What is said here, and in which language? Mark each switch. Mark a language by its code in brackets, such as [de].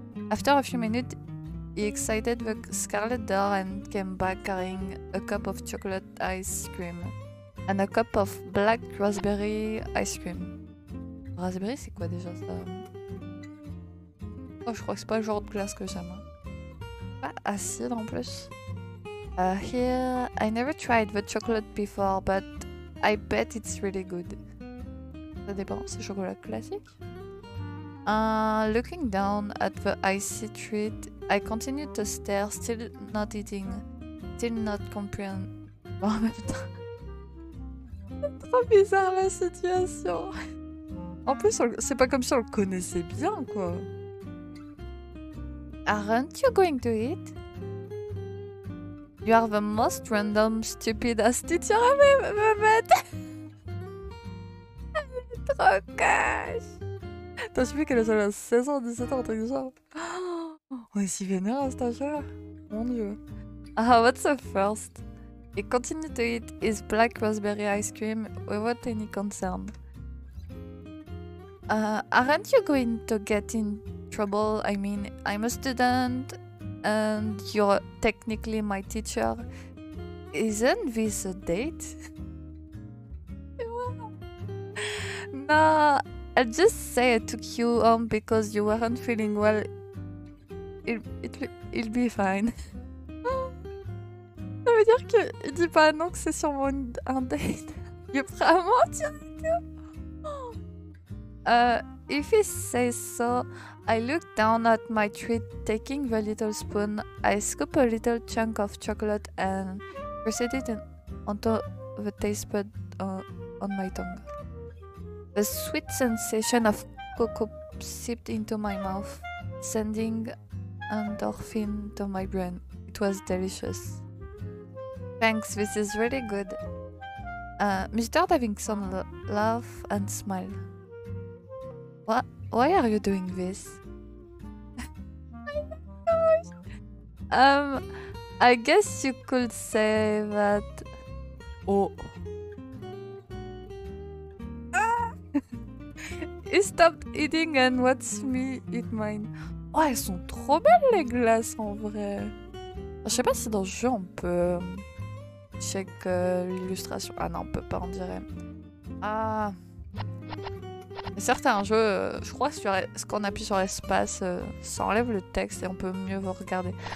[en] After a few minutes, he excited the scarlet door and came back carrying a cup of chocolate ice cream and a cup of black raspberry ice cream. [fr] Raspberry, c'est quoi déjà ça? Oh, je crois que c'est pas le genre de glace que j'aime. Pas acide en plus. [en] Here, I never tried the chocolate before, but I bet it's really good. [fr] Ça dépend, c'est chocolat classique. [en] Looking down at the icy treat, I continued to stare, still not eating, still not comprehending. [fr] Bon, en même temps. C'est trop bizarre la situation. En plus, c'est pas comme si on le connaissait bien, quoi. [en] Aren't you going to eat? You are the most random, stupid ass teacher ever, Mehmet! [fr] Trop cash! T'as suivi qu'elle est à 16 ans, 17 ans, truc genre. On est si vénère à cet âge-là! Mon dieu! [en] Ah, what's the first? He continued to eat his black raspberry ice cream without any concern. Aren't you going to get in trouble? I mean, I'm a student. And you're technically my teacher. Isn't this a date? No, I just say I took you home because you weren't feeling well. It'll be fine. [fr] Ça veut dire qu'il dit pas non que c'est sûrement un date. Il est prêt à mentir. [en] If he says so, I look down at my treat, taking the little spoon. I scoop a little chunk of chocolate and press it onto the taste bud on my tongue. The sweet sensation of cocoa seeped into my mouth, sending endorphin to my brain. It was delicious. Thanks, this is really good. Mr. Davidson laugh and smile. Why are you doing this? I guess you could say that. Oh. He stopped eating and watched me eat mine. [fr] Oh, elles sont trop belles les glaces en vrai. Je sais pas si dans le jeu on peut check l'illustration. Ah non, on peut pas, on dirait. Ah. Certains jeux, je crois que ce qu'on appuie sur espace, ça enlève le texte et on peut mieux regarder.